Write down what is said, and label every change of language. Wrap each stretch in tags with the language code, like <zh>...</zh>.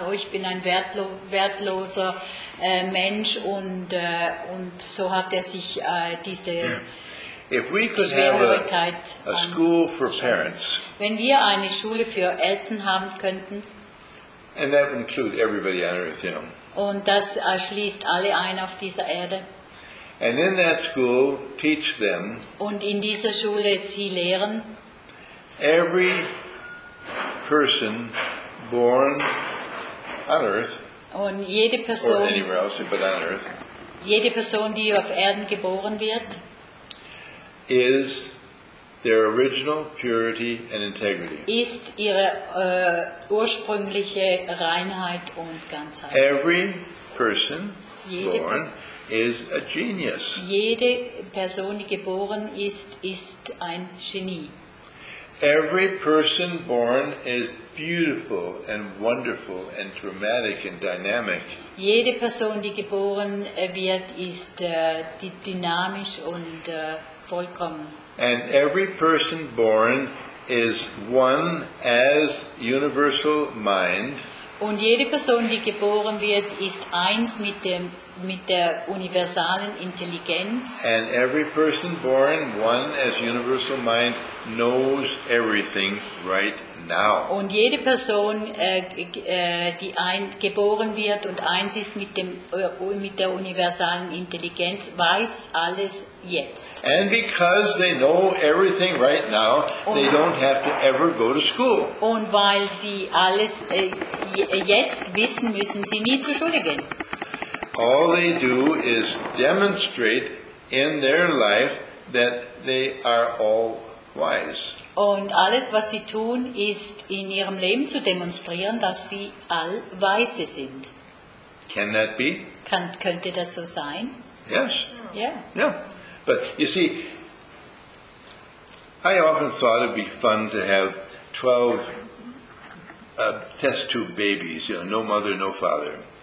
<de>Oh, ich bin ein wertloser Mensch. Und so hat er sich diese...</de> <en>If we could have a school for parents,</en> <de>wenn wir eine Schule für Eltern haben könnten,</de> <en>and that would include everybody on earth, you know,</en> <de>und das schließt alle ein auf dieser Erde,</de> <en>and in that school teach them,</en> <de>und in dieser Schule sie lehren,</de> <en>every person born on earth,</en> <de>und jede Person,</de> <en>or anywhere else but on earth,</en> <de>jede Person, die auf Erden geboren wird,</de> <en>is their original purity and integrity.</en> <de>Ist ihre ursprüngliche Reinheit und Ganzheit.</de> <en>Every person born is a genius.</en> <de>Jede Person, die geboren ist, ist ein Genie.</de> <en>Every person born is beautiful and wonderful and dramatic and dynamic.</en> <de>Jede Person, die geboren wird, ist dynamisch und vollkommen.</de> <en>And every person born is one as universal mind.</en> <de>Und jede Person, die geboren wird, ist eins mit der universalen Intelligenz.</de> <en>And every person born one as universal mind knows everything right now.</en> <de>Und jede Person, die geboren wird und eins ist mit der universalen Intelligenz, weiß alles jetzt.</de> <en>And because they know everything right now, they don't have to ever go to school.</en> <de>Und weil sie alles jetzt wissen, müssen sie nie zur Schule gehen.</de> <en>All they do is demonstrate in their life that they are all wise.</en> <de>Und alles, was sie tun, ist in ihrem Leben zu demonstrieren, dass sie allweise sind.</de> <en>Can that be?</en> <de>Könnte das so sein?</de> <en>Yes. Yeah. Yeah. But you see, I often thought it'd be fun to have 12 test tube babies, you know, no mother, no father.</en>